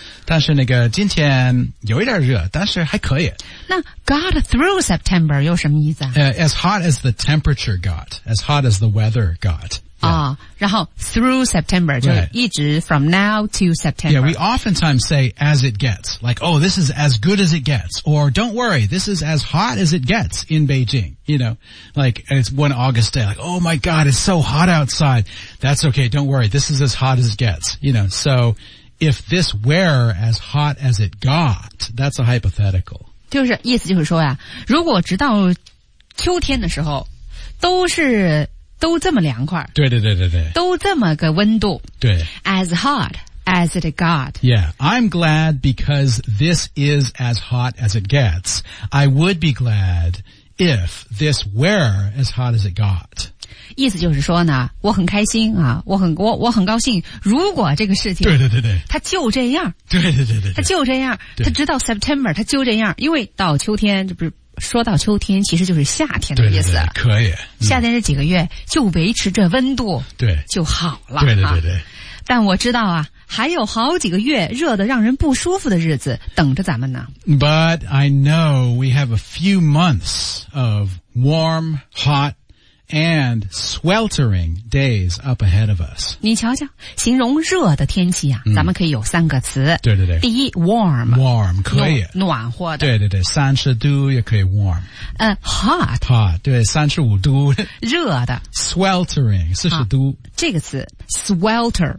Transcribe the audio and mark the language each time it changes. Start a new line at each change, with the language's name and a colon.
Chinese: 但是那个今天有一点热，但是还可以。那 got through September 有什么意思啊？
English: As hot as the temperature got, as hot as the weather got. Yeah. 哦、然后 through September、就一直 from now to September. Yeah, we oftentimes say as it gets, like, oh, this is as good as it gets, or don't worry, this is as hot as it gets in Beijing, you know, like, and it's one August day, like, oh my God, it's so hot outside. That's okay, don't worry, this is as hot as it gets, you know, so if this were as hot as it got, that's a hypothetical.
Chinese: 就是意思就是说呀、啊、如果直到秋天的时候都这么凉快。对对对对对。都这么个温度。对。
English: As hot as it got. Yeah, I'm glad because this is as hot as it gets. I would be glad if this were as hot as it got.
Chinese: 意思就是说呢，我很开心啊，我很高兴，如果这个事情。对对对对。它就这样。对对对对对。它就这样。它直到 September, 它就这样。因为到秋天这不是。说到秋天其实就是夏天的意思。对对对，可以、嗯、夏天这几个月就维持着温度对就好了。对对对对、啊、但我知道啊还有好几个月热得让人不舒服的日子等着咱们呢。
English: But I know we have a few months of warm, hot and sweltering days up ahead of us.
Chinese: 你瞧瞧形容热的天气啊、嗯、咱们可以有三个词。对对对。第一 warm。 warm, 可以。暖和的。对对对三十度也可以 warm。
English: hot。
Chinese: hot, 对三十五度。热的。 sweltering, 四十度。这个词 swelter。